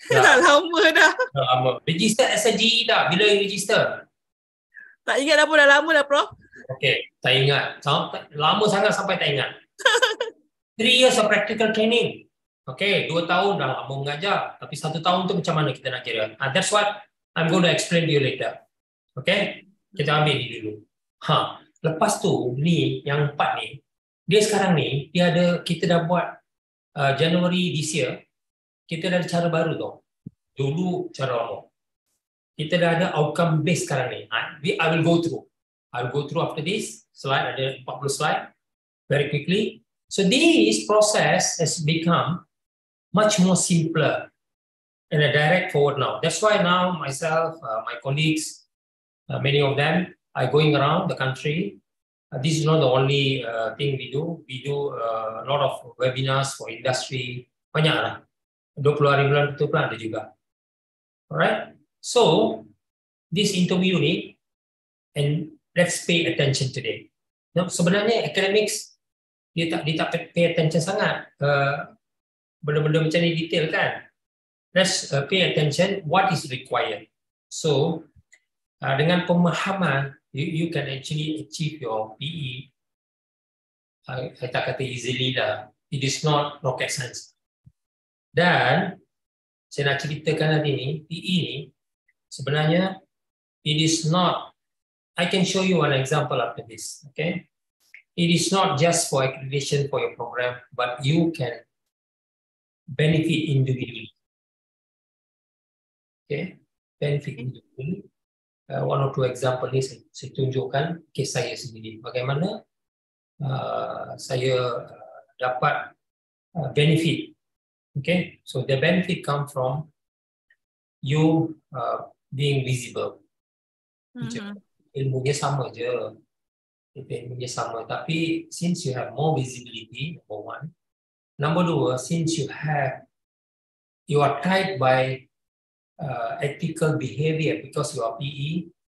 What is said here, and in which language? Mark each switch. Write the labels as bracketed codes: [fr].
[ms] Dah lama dah. Dah lama. Register SGE dah. Bila you register? Tak ingat dah pun. Dah lama dah, Prof. Okay, tak ingat. Lama sangat sampai tak ingat. [en] 3 years of practical training. [ms] Okay, 2 tahun dah lama mengajar. Tapi 1 tahun tu macam mana kita nak kira? [en] That's what I'm going to explain to you later. [ms] Okay? Kita ambil ini dulu. Ha. Lepas tu, ni yang 4 ni, dia sekarang ni, dia ada, kita dah buat [en] January this year, [ms] kita dah ada cara baru tu. Dulu cara lama. Kita dah ada [en] outcome based [ms] sekarang ni. [en] I will go through. I will go through after this. [ms] Slide, ada 40 slide. [en] Very quickly. So this process has become much more simpler and a direct forward now. That's why now myself, my colleagues, many of them are going around the country. This is not the only thing we do. We do a lot of webinars for industry. [ms] Banyak lah. 20 hari bulan itu pun ada juga. [en] Alright. So, this interview ni, and let's pay attention today. [ms] Now, sebenarnya, academics, dia tak [en] pay attention [ms] sangat. Benda-benda macam ni detail kan? [en] Let's pay attention what is required. So, [ms] dengan pemahaman, [en] you can actually achieve your PE. I [ms] tak kata [en] easily lah. It is not rocket science. [ms] Dan saya nak ceritakan nanti ni, PE ni sebenarnya [en] it is not, I can show you an example after this, okay? It is not just for accreditation for your program, but you can benefit individually. Okay? Benefit individually. One or two example [ms] ni saya tunjukkan kes saya sendiri. Bagaimana saya dapat benefit. [en] Okay, so the benefit come from you being visible. Mm-hmm. [ms] Ilmunya sama je. Ilmunya sama. Tapi [en] since you have more visibility, number one. Number two, since you have, you are tied by ethical behavior because you are PE.